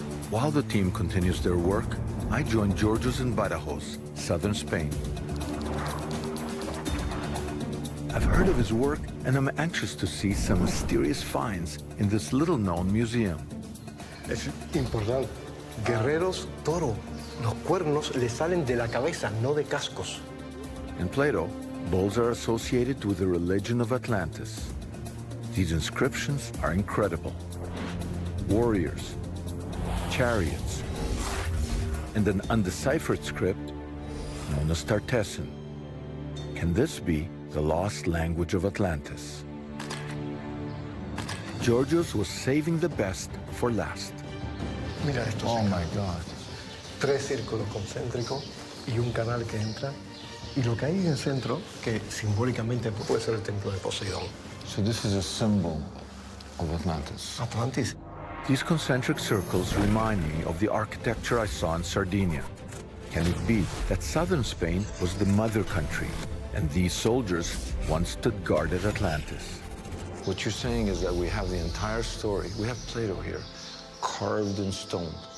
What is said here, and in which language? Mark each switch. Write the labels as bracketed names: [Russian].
[English] While the team continues their work, I join Georgios in Badajoz, southern Spain. I've heard of his work, and I'm anxious to see some mysterious finds in this little-known museum. [Spanish] Es importante. Guerreros toro. Los cuernos le salen de la cabeza, no de cascos. [English] In Plato, bulls are associated with the religion of Atlantis. These inscriptions are incredible. Warriors, chariots, and an undeciphered script known as Tartessan. Can this be the lost language of Atlantis? Georgios was saving the best for last. [Spanish] Mira esto. [English] Oh my God. [Spanish] Tres círculos concéntricos y un canal que entra. Y lo que hay en el centro, que simbólicamente puede ser el templo de Poseidón. [English] So this is a symbol of Atlantis. Atlantis. These concentric circles remind me of the architecture I saw in Sardinia. Can it be that southern Spain was the mother country, and these soldiers once stood guard at Atlantis? What you're saying is that we have the entire story. We have Plato here, carved in stone.